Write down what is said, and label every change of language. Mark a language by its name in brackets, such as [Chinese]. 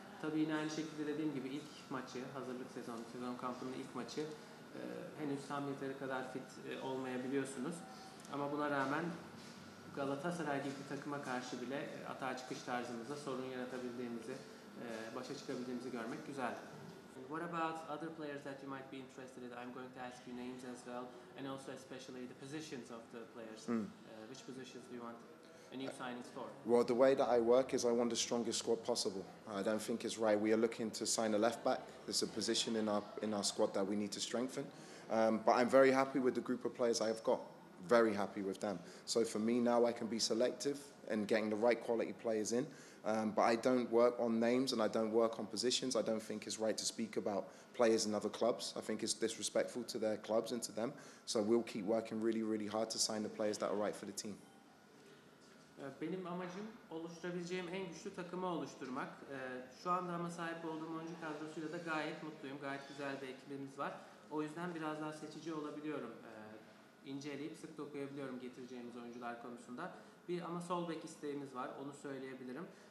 [Turkish] Tabii yine aynı şekilde dediğim gibi ilk maçı, hazırlık sezonu, sezon kampının ilk maçı henüz tam yeteri kadar fit olmayabiliyorsunuz. Ama buna rağmen Galatasaray gibi bir takıma karşı bile atağa çıkış tarzımızda sorun yaratabildiğimizi, başa çıkabildiğimizi görmek güzel. [English] What about other players that you might be interested in? I'm going to ask you names as well, and also especially the positions of the players. Which positions do you want? Well, the way that I work is I want the strongest squad possible. I don't think it's right. We are looking to sign a left back. There's a position in our squad that we need to strengthen. But I'm very happy with the group of players I have got. Very happy with them. So for me now, I can be selective in getting the right quality players in. But I don't work on names and I don't work on positions. I don't think it's right to speak about players in other clubs. I think it's disrespectful to their clubs and to them. So we'll keep working really, really hard to sign the players that are right for the team. [Turkish] Benim amacım oluşturabileceğim en güçlü takımı oluşturmak. Şu anda ama sahip olduğum oyuncu kadrosuyla da gayet mutluyum. Gayet güzel bir ekibimiz var. O yüzden biraz daha seçici olabiliyorum. İnceleyip sık dokuyabiliyorum getireceğimiz oyuncular konusunda. Bir ama sol bek isteğimiz var. Onu söyleyebilirim.